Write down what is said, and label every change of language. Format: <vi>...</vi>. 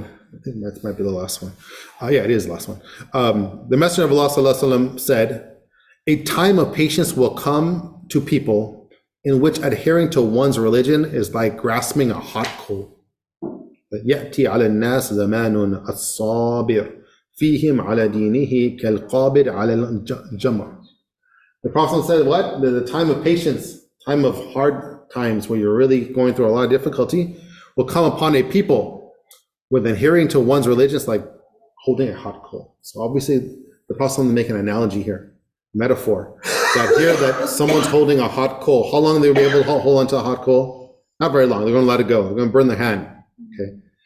<en>I think that might be the last one. It is the last one. The Messenger of Allah sallallahu alaihi wasallam said, a time of patience will come to people in which adhering to one's religion is like grasping a hot coal.</en> <ar>يَأْتِي عَلَى النَّاسِ زَمَانٌ أَصَّابِرٌ فِيهِمْ عَلَى دِينِهِ كَالْقَابِرِ عَلَى الْجَمَرِ</ar> <en>The Prophet said what? The time of patience, time of hard times where you're really going through a lot of difficulty, will come upon a people with adhering to one's religion, it's like holding a hot coal. So obviously, the Prophet is making an analogy here. metaphor. That here that someone's holding a hot coal. How long they'll be able to hold onto a hot coal? Not very long. They're going to let it go. They're going to burn their hand. Okay.</en>